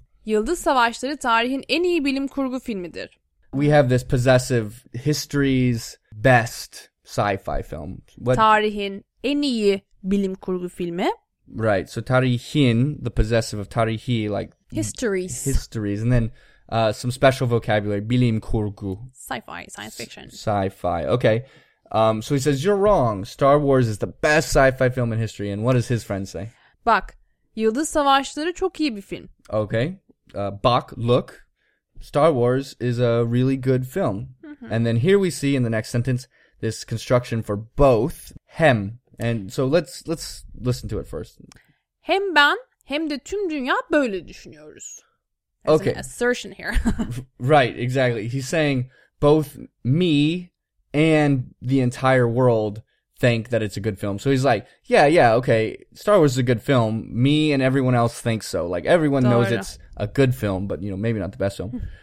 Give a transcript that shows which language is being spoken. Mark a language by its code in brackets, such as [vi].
[tr] Yıldız Savaşları tarihin en iyi bilim kurgu filmidir. [en] We have this possessive history's best sci-fi film. What? [tr] Tarihin en iyi bilim kurgu filmi. [en] Right. So tarihin, the possessive of tarihi, like histories. Histories. And then some special vocabulary, bilim kurgu. Sci-fi, science fiction. Sci-fi. Okay. So he says, you're wrong. Star Wars is the best sci-fi film in history. And what does his friend say? [tr] Bak, Yıldız Savaşları çok iyi bir film. [en] Okay. Bak, look. Star Wars is a really good film. Mm-hmm. And then here we see in the next sentence, this construction for both. Hem. And so let's listen to it first. [tr] Hem ben, hem de tüm dünya böyle düşünüyoruz. [en] There's okay. An assertion here. Right, exactly. He's saying, both me and the entire world think that it's a good film. So he's like, yeah, okay, Star Wars is a good film. Me and everyone else think so. Like, everyone knows it's a good film, but, you know, maybe not the best film.